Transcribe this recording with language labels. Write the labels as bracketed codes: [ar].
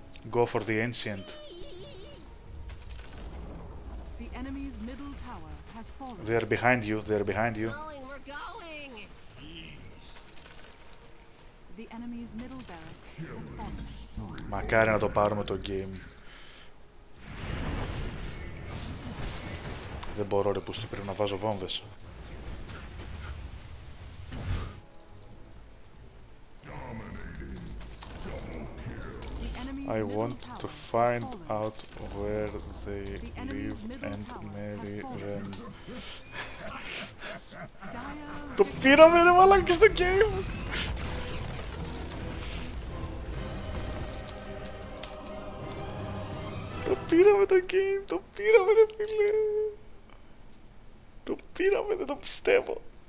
[en] Go for the ancient. The enemy's middle tower has fallen. They're behind you, they're behind you. We're going. The enemy's middle barracks has fallen. [el] Μακάρι να το πάρουμε το game. Δεν μπορώ ρε πούστη, πρέπει να βάζω βόμβες. [en] I want to find out where they live and marry them. [el] Το πήραμε ρε μαλάκα στο game! Το πήραμε το game, το πήραμε ρε φίλε! Το πήραμε, δεν το πιστεύω!